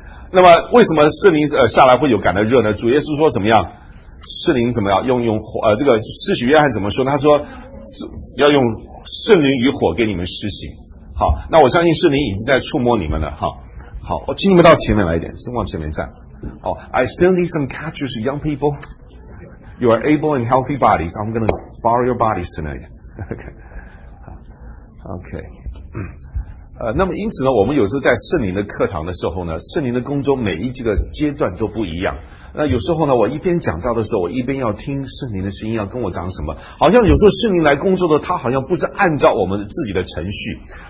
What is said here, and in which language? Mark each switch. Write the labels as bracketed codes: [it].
[zh] 那么为什么圣灵下来会有感到热呢？主耶稣说怎么样？圣灵怎么样？用火这个施洗约翰怎么说呢？他说要用圣灵与火给你们施洗。好，那我相信圣灵已经在触摸你们了。好，我请你们到前面来一点，先往前面站。 [en] 好 ，I still need some catches, young people. You are able and healthy bodies. I'm going to borrow your bodies tonight. Okay. [zh] 那么因此呢，我们有时候在圣灵的课堂的时候呢，圣灵的工作每一这个阶段都不一样。那有时候呢，我一边讲到的时候，我一边要听圣灵的声音，要跟我讲什么。好像有时候圣灵来工作的，他好像不是按照我们自己的程序。